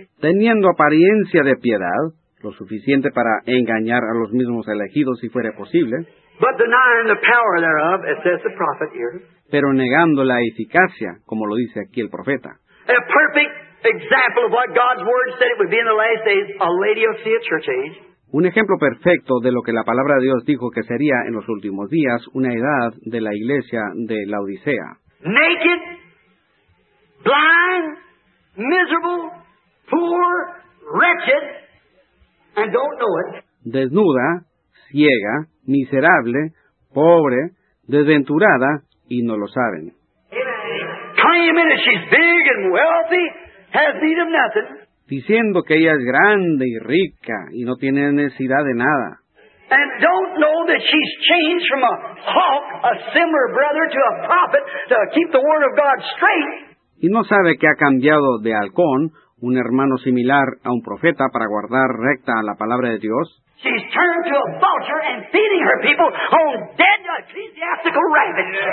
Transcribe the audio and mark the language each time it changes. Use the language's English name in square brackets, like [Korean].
[Spanish] Teniendo apariencia de piedad, lo suficiente para engañar a los mismos elegidos si fuera posible. [English] But denying the power thereof, as says the prophet here. [Spanish] Pero negando la eficacia, como lo dice aquí el profeta. [English] A perfect example of what God's word said it would be in the last days, a Laodicea church age. [Spanish] Un ejemplo perfecto de lo que la palabra de Dios dijo que sería en los últimos días, una edad de la iglesia de Laodicea. [English] Naked, blind, miserable, poor, wretched, and don't know it. [Spanish] Desnuda, ciega, miserable, pobre, desventurada, y no lo saben. [English] Claiming that she's big and wealthy, has need of nothing. [Spanish] Diciendo que ella es grande y rica y no tiene necesidad de nada. [English] And don't know that she's changed from a hawk, a similar brother, to a prophet to keep the word of God straight. [Spanish] Y no sabe que ha cambiado de halcón, un hermano similar a un profeta, para guardar recta la palabra de Dios. [English] She's turned to a vulture and feeding her people on dead ecclesiastical rabbits.